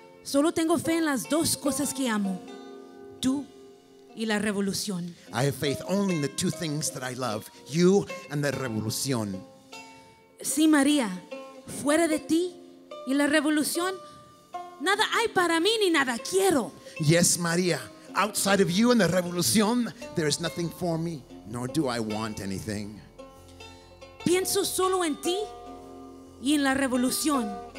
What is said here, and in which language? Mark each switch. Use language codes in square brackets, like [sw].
[es] Solo tengo fe en las dos cosas que amo, tú y la revolución. [en] I have faith only in the two things that I love, you and the revolución. [es] Sí, María, fuera de ti y la revolución, nada hay para mí ni nada quiero. [en] Yes, María, outside of you and the revolución, there is nothing for me, nor do I want anything. [es] Pienso solo en ti y en la revolución.